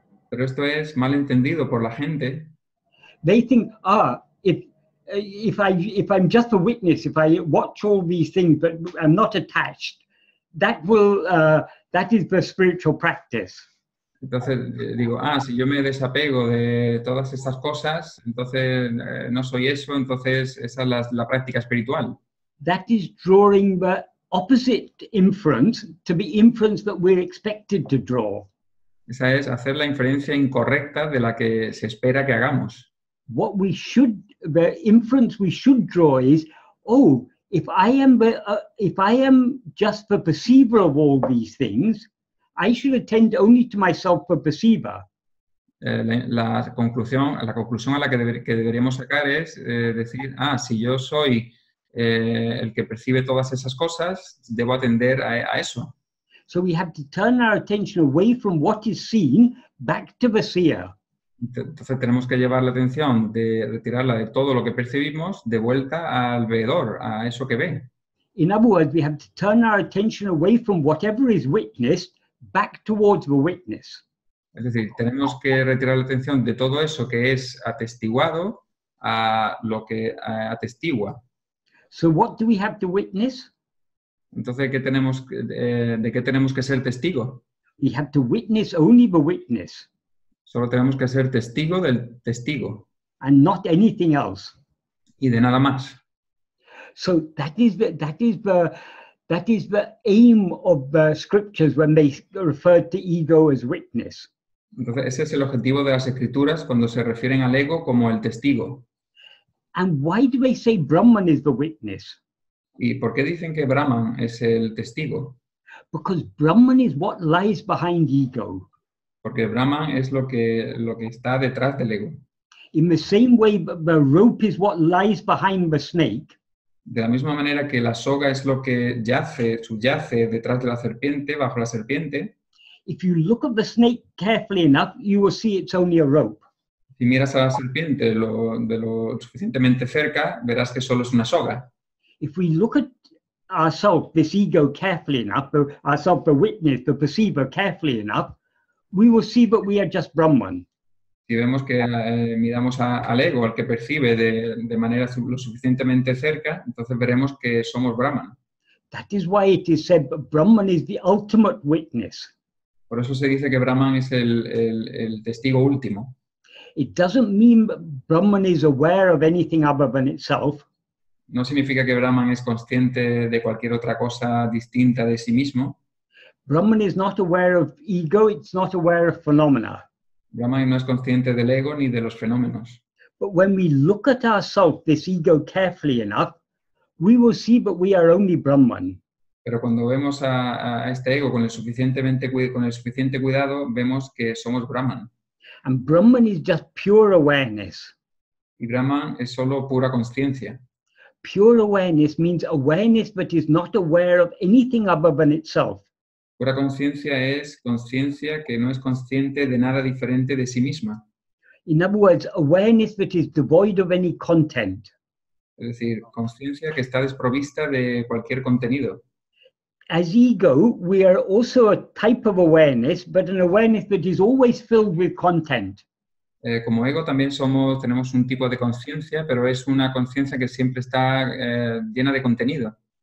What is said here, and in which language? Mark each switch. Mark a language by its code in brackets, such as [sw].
[es] Pero esto es mal entendido por la gente. [en] They think, if I'm just a witness, if I watch all these things but I'm not attached, that is the spiritual practice. [es] Entonces digo, si yo me desapego de todas estas cosas, entonces no soy eso, entonces esa es la práctica espiritual. [en] That is drawing the opposite inference to the inference that we're expected to draw. [es] Esa es hacer la inferencia incorrecta de la que se espera que hagamos. [en] What we should, the inference we should draw is, oh, if I am just the perceiver of all these things, I should attend only to myself, the perceiver. [es] La conclusión a la que, que deberíamos sacar es decir, ah, si yo soy el que percibe todas esas cosas, debo atender a eso. [en] So we have to turn our attention away from what is seen back to the seer. [es] Entonces tenemos que llevar la atención de retirarla de todo lo que percibimos de vuelta al veedor, a eso que ve. [en] In other words, we have to turn our attention away from whatever is witnessed back towards the witness. [es] Es decir, tenemos que retirar la atención de todo eso que es atestiguado a lo que atestigua. [en] So what do we have to witness? [es] Entonces, ¿qué tenemos, de qué tenemos que ser testigo? [en] We have to witness only the witness. [es] Solo tenemos que ser testigo del testigo. [en] And not anything else. [es] Y de nada más. [en] So that is the aim of the scriptures when they refer to ego as witness. [es] Entonces, ese es el objetivo de las escrituras cuando se refieren al ego como el testigo. [en] And why do they say Brahman is the witness? [es] ¿Y por qué dicen que Brahman es el testigo? [en] Because Brahman is what lies behind ego. [es] Porque Brahman es lo que está detrás del ego. [en] In the same way the rope is what lies behind the snake. [es] De la misma manera que la soga es lo que subyace detrás de la serpiente, bajo la serpiente. [en] If you look at the snake carefully enough, you will see it's only a rope. [es] Si miras a la serpiente de lo suficientemente cerca, verás que solo es una soga. [en] If we look at ourselves, this ego, carefully enough, ourselves, the witness, the perceiver, carefully enough, we will see that we are just Brahman. [es] Si vemos que miramos al ego, al que percibe de manera lo suficientemente cerca, entonces veremos que somos Brahman. [en] That is why it is said that Brahman is the ultimate witness. [es] Por eso se dice que Brahman es el testigo último. [en] It doesn't mean that Brahman is aware of anything other than itself. [es] No significa que Brahman es consciente de cualquier otra cosa distinta de sí mismo. [en] Brahman is not aware of ego, it's not aware of phenomena. [es] Brahman no es consciente del ego ni de los fenómenos. [en] But when we look at ourselves, this ego, carefully enough, we will see that we are only Brahman. [es] Pero cuando vemos a este ego con el suficiente cuidado, vemos que somos Brahman. [en] And Brahman is just pure awareness. [es] Y Brahman es solo pura consciencia. [en] Pure awareness means awareness that is not aware of anything other than itself. [es] Pura conciencia es conciencia que no es consciente de nada diferente de sí misma. [en] In other words, awareness that is devoid of any content. [es] Es decir, conciencia que está desprovista de cualquier contenido. [en] As ego, we are also a type of awareness, but an awareness that is always filled with content. [es] Como ego también tenemos un tipo de conciencia, pero es una conciencia que siempre está llena de contenido.